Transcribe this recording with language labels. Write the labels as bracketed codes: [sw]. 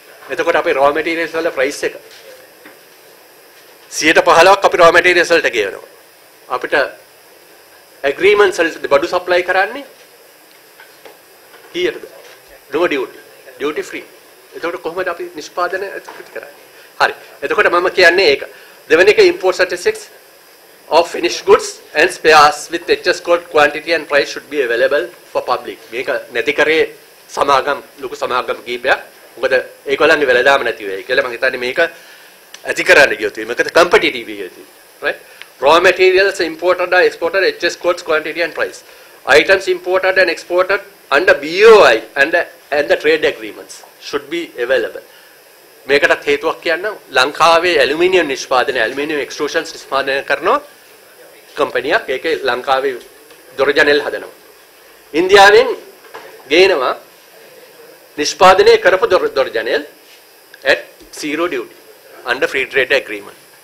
[si] එතකොට අපේ raw materials වල ප්‍රයිස් එක 15%ක් අපි raw materials වලට ගේනවා. අපිට agreements වලට බඩු සප්ලයි කරන්නේ කීයටද? low duty free. එතකොට කොහොමද අපි නිෂ්පාදනය ඇති කරන්නේ? හරි. එතකොට මම කියන්නේ ඒක. දෙවෙනි එක [en] import statistics of finished goods and spares with HS code quantity and price should be available for public. [si] මේක නැති කරේ සමාගම් ලොකු සමාගම් කීපයක්. මොකද ඒකවලන්නේ වෙලදාම නැති වෙයි කියලා මම හිතන්නේ. මේක ඇති කරන්න ගියොත් මේකට competitive වෙයි යති. [en] Right? Raw materials imported or exported HS codes quantity and price. Items imported and exported under BOI and the trade agreements should be available. [si] මේකටත් හේතුවක් කියන්නම්. ලංකාවේ ඇලුමිනියම් නිෂ්පාදනය, ඇලුමිනියම් extrusions නිෂ්පාදනය කරන කම්පැනියක් ඒකේ ලංකාවේ දොර ජනෙල් හදනවා. ඉන්දියාවෙන් ගේනවා නිෂ්පාදනය කරපු දොර ජනෙල් [en] at zero duty under free trade agreement.